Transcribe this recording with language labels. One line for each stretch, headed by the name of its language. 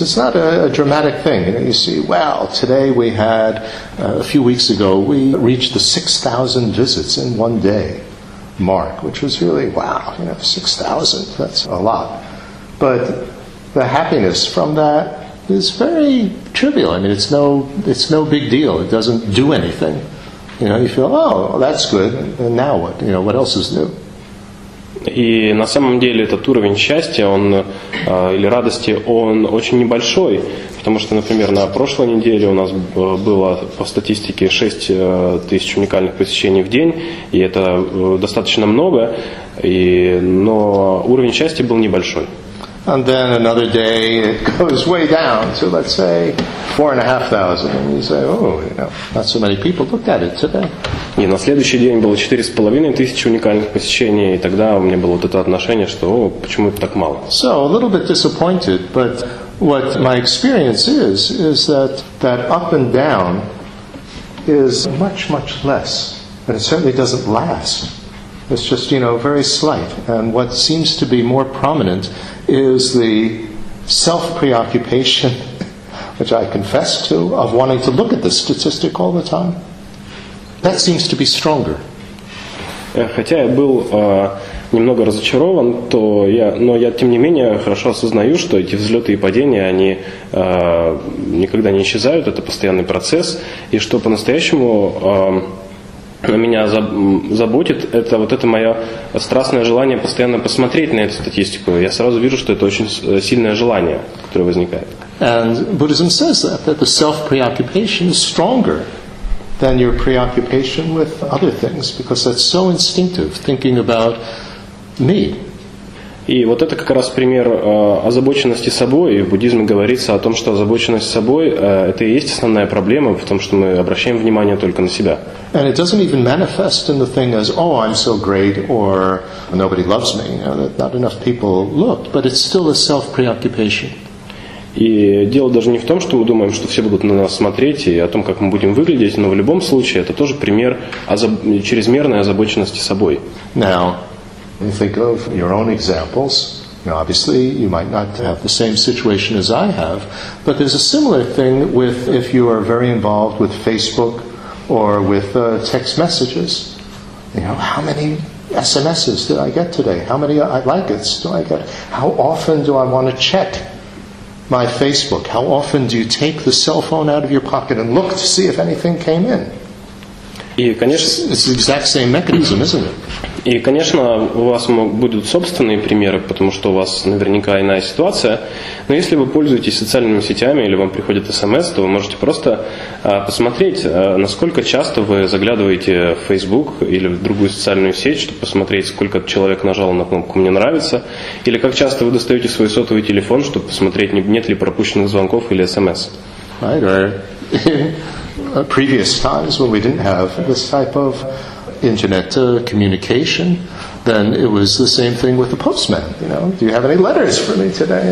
English: It's not a dramatic thing. You know, you see, well, today we had a few weeks ago we reached the 6,000 visits in one day mark, which was really wow, you know, 6,000, that's a lot. But the happiness from that is very trivial. I mean it's no big deal. It doesn't do anything. You know, you feel, oh, well, that's good. And now what? You know, what else is new?
Russian: И на самом деле этот уровень счастья, он или радости, он очень небольшой, потому что, например, на прошлой неделе у нас было по статистике 6000 уникальных посещений в день, и это достаточно много, но уровень счастья был небольшой.
English: And then another day it goes way down to, let's say, 4,500. And you say, oh, you know, not so many people looked at it today.
Russian: И на следующий день было 4,500 уникальных посещений, и тогда у меня было вот это отношение, что, о, почему это так мало?
English: So, a little bit disappointed, but what my experience is that up and down is much, much less. And it certainly doesn't last. It's just, you know, very slight. And what seems to be more prominent is the self-preoccupation, which I confess to, of wanting to look at the statistic all the time. That seems to be stronger.
Russian: Хотя я был немного разочарован, но я тем не менее хорошо осознаю, что эти взлеты и падения, они никогда не исчезают, это постоянный процесс, и что по-настоящему меня заботит, это вот это мое страстное желание постоянно посмотреть на эту статистику. Я сразу вижу, что это очень сильное желание, которое возникает.
English: And Buddhism says that the self-preoccupation is stronger than your preoccupation with other things, because that's so instinctive, thinking about me.
Russian: И вот это как раз пример озабоченности собой. И в буддизме говорится о том, что озабоченность собой – это и есть основная проблема в том, что мы обращаем внимание только на себя.
English: And it doesn't even manifest in the thing as, oh, I'm so great, or nobody loves me, you know, that not enough people looked, but it's still a self-preoccupation.
Russian: И дело даже не в том, что мы думаем, что все будут на нас смотреть и о том, как мы будем выглядеть, но в любом случае это тоже пример чрезмерной озабоченности собой.
English: Now, you think of your own examples. Now, obviously, you might not have the same situation as I have, but there's a similar thing with if you are very involved with Facebook or with text messages. You know, how many SMSs did I get today? How many likes do I get? How often do I want to check my Facebook? How often do you take the cell phone out of your pocket and look to see if anything came in?
Russian: И, конечно,
English: it's the exact same mechanism, isn't it?
Russian: И, конечно, у вас будут собственные примеры, потому что у вас наверняка иная ситуация. Но если вы пользуетесь социальными сетями или вам приходит SMS, то вы можете просто посмотреть, насколько часто вы заглядываете в Facebook или в другую социальную сеть, чтобы посмотреть, сколько человек нажал на кнопку «Мне нравится», или как часто вы достаете свой сотовый телефон, чтобы посмотреть, нет ли пропущенных звонков или SMS.
English: Previous times when we didn't have this type of internet communication, then it was the same thing with the postman. You know, do you have any letters for me today?